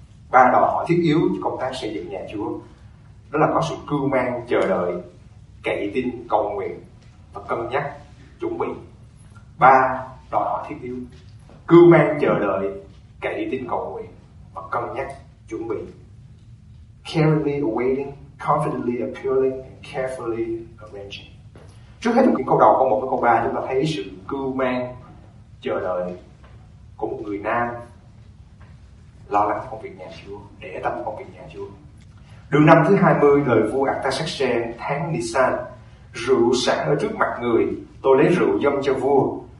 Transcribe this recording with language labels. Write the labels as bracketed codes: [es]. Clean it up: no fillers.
[vi] Ba đòi hỏi thiết yếu cho công tác xây dựng nhà Chúa, đó là có sự cưu mang, chờ đợi, cậy tin, cầu nguyện và cân nhắc, chuẩn bị. Ba đòi hỏi thiết yếu: cưu mang, chờ đợi, cậy tin, cầu nguyện và cân nhắc, chuẩn bị. [en] Carefully awaiting, confidently appealing, and carefully arranging. [vi] Trước hết trong những câu đầu, câu 1 và câu 3, chúng ta thấy sự cưu mang, chờ đợi của một người nam lo lắng công việc nhà Chúa, để tâm công việc nhà Chúa. Đường năm thứ 20, đời vua Artaxerxes, tháng Nisan, rượu sẵn ở trước mặt người, tôi lấy rượu dâng cho vua.